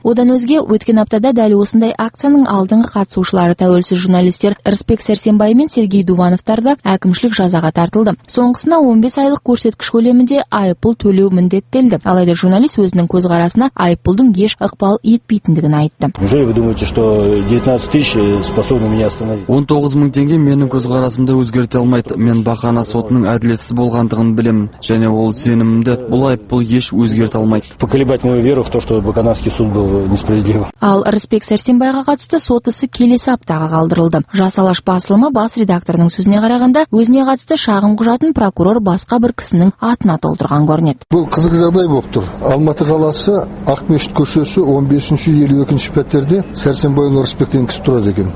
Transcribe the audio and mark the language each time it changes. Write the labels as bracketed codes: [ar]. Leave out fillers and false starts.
[kk] Одан өзге өткен аптада дәл осындай акцияның алдыңғы қатысушылары тәуелсіз журналистер Рысбек Сәрсенбай мен Сергей Дувановтар да әкімшілік жазаға тартылды. Соңғысына 15 айлық көрсеткіш көлемінде айыппұл төлеу міндеттелді. Алайда журналист өзінің көзқарасына айыппұлдың еш ықпал етпейтіндігін айтты. [ru] Неужели вы думаете, что 19000 способны меня остановить? [kk] 19000 теңге менің көзқарасымды өзгерте алмайды. Мен бақана сотының әділетсіз болғандығын білемін және ол сенімімді бұл айыппұл еш өзгерте алмайды. [ru] Поколебать мою веру в то, что Баканавский суд был несправедлив. [kk] Ал Рысбек Сәрсенбайға қатысты сот ісі келесі аптаға қалдырылды. Жас Алаш басылымы бас редакторының сөзіне қарағанда, өзіне қатысты шағым құжатын прокурор басқа бір кісінің атына толтырған көрінеді. Бұл қызық жағдай болып тұр. Алматы қаласы Ақмешіт көшесі 15-52 пәтерде Сәрсенбай Рысбектен кісі тұрады екен.